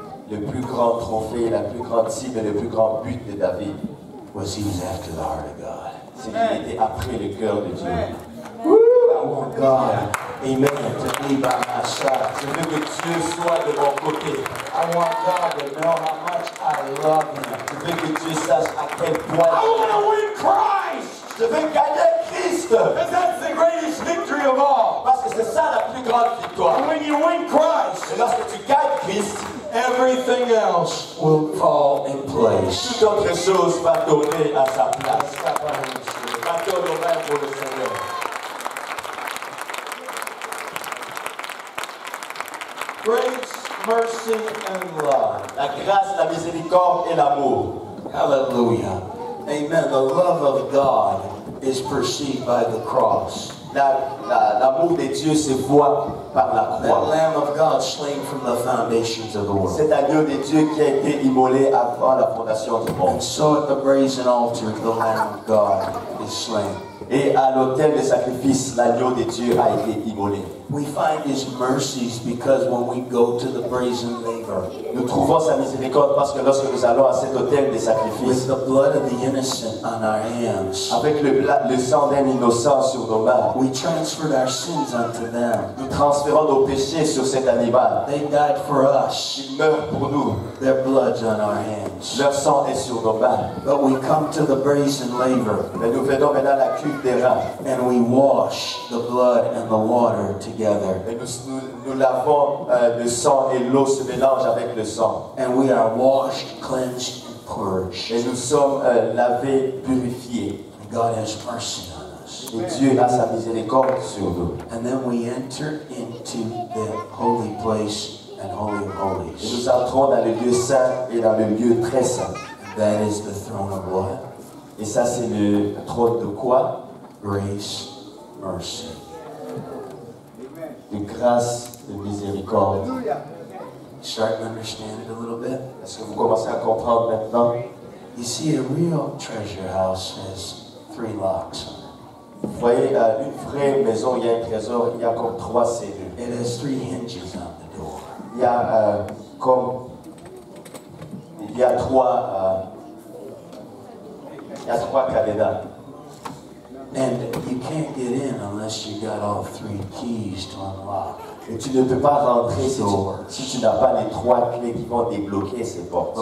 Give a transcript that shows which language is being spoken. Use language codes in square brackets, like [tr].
[fr] Le plus grand trophée, la plus grande cible, le plus grand but de David. [en] Was he after the heart of God? [fr] C'est qu'il était après le cœur de Dieu. [en] Amen. I want God, amen, to be by my side. [fr] Je veux que Dieu soit de mon côté. [en] I want God to know how much I love Him. [fr] Je veux que Dieu sache à quel point. [en] I want to win Christ. [fr] Je veux gagner Christ. [en] Because that's the greatest victory of all. [fr] Parce que c'est ça la plus grande victoire. [en] And when you win Christ, [fr] et lorsque tu gagnes Christ, [en] everything else will fall in place. [fr] Toute autre chose va tourner à sa place. Acclamons pour le Seigneur. [en] Grace, mercy, and love. [fr] La grâce, la miséricorde et l'amour. [en] Hallelujah. Amen. The love of God is perceived by the cross. [fr] L'amour de Dieu se voit par la croix. [en] The Lamb of God slain from the foundations of the world. [fr] Cet agneau de Dieu qui a été immolé avant la fondation du monde. [en] And so at the brazen altar, the Lamb of God is slain. [fr] Et à l'autel de sacrifice, l'agneau de Dieu a été immolé. [en] We find His mercies because when we go to the brazen laver, [fr] nous trouvons sa miséricorde parce que lorsque nous allons à cet autel de sacrifice, [en] with the blood of the innocent on our hands, [fr] avec le sang d'un innocent sur nos mains, [en] we transferred our sins unto them. [fr] Nous transférons nos péchés sur cet animal. [en] They died for us. [fr] Ils meurent pour nous. [en] Their blood's on our hands. [fr] Leur sang est sur nos mains. [en] But we come to the brazen laver. [fr] Mais nous venons maintenant à la cuve des reins. [en] And we wash the blood and the water together. [fr] Et nous lavons le sang et l'eau se mélange avec le sang. [en] And we are washed, cleansed, and purged. [fr] Et nous sommes lavés, purifiés. [en] God has mercy on us. [fr] Et Dieu a sa miséricorde sur nous. [en] And then we enter into the holy place and holy of holies. [fr] Et nous entrons dans le lieu saint et dans le lieu très saint. [en] And that is the throne of what? [fr] Et ça c'est le trône de quoi? [en] Grace, mercy. [fr] De grâce, de miséricorde. [en] Start to understand it a little bit. [fr] Est-ce que vous commencez à comprendre maintenant? [en] You see, a real treasure house has three locks on it. [fr] Vous voyez, une vraie maison, il y a un trésor, il y a comme trois serrures. [en] It has three hinges on the door. [fr] Il y a comme il y a trois cadenas. [en] And you can't get in unless you got all three keys to unlock. [fr] Et tu ne peux pas rentrer si tu n'as pas les trois clés qui vont débloquer ces portes.